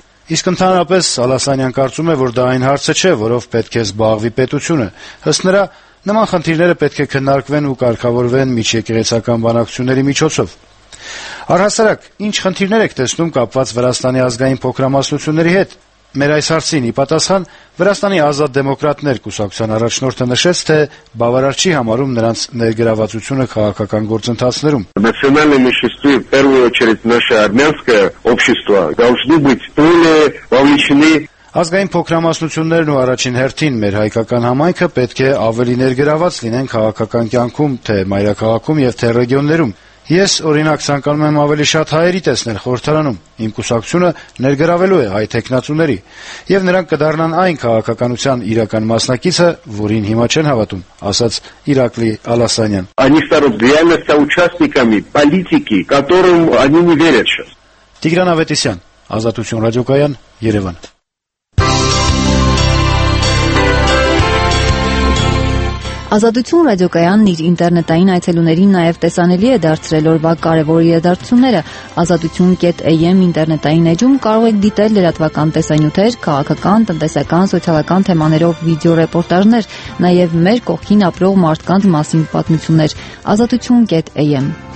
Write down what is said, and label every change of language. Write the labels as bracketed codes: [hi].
[hy] Իսկ ընդհանրապես Ալասանյան կարծում է, որ դա այն հարցը չէ, որով պետք է զբաղվի պետությունը, ըստ նրա նման խնդիրները պետք է քննարկվեն ու կարգավորվեն միջեկեղեցական բանակցությունների միջոցով։ Առհասարակ, ինչ խնդիրներ եք տեսնում կապված Վրաստանի ազգային փոքրամասնությունների հետ։ Մեր այս հարցին ի պատասխան Վրաստանի ազատ դեմոկրատներ կուսակցության առաջնորդը նշեց, թե բավարար չի համարում նրանց ներգրավվածությունը քաղաքական գործընթացներում։ [ru] Национальное меньшинство, в первую очередь наше армянское общество, должны быть более вовлечены. [hy] Ազգային փոքրամասնություններն ու առաջին հերթին մեր հայկական համայնքը պետք է ավելի ներգրավված լինեն քաղաքական կյանքում, թե մայրաքաղաքում եւ թե ռեգիոններում։ Ես, օրինակ, ցանկանում եմ ավելի շատ հայերի տեսնել խորհրդարանում։ Իմ կուսակցությունը ներգրավելու է հայ տեխնացուների, և նրանք կդառնան այն քաղաքականության իրական մասնակիցը, որին հիմա չեն հավատում, ասաց Իրակլի Ալասանյան։ [ru] Они станут реально соучастниками политики, которым они не верят сейчас. [hy] Տիգրան Ավետիսյան, Ազատություն ռադիոկայան, Երևան։ Ազատություն ռադիոկայանն իր ինտերնետային այցելուներին նաև տեսանելի է դարձրել օրվա կարևոր իրադարձությունները։ Ազատություն.am ինտերնետային էջում կարող եք դիտել լրատվական տեսանյութեր, քաղաքական, տնտեսական, սոցիալական թեմաներով վիդեոռեպորտաժներ, նաև մեր կողքին ապրող մարդկանց մասին պատմություններ։ Ազատություն.am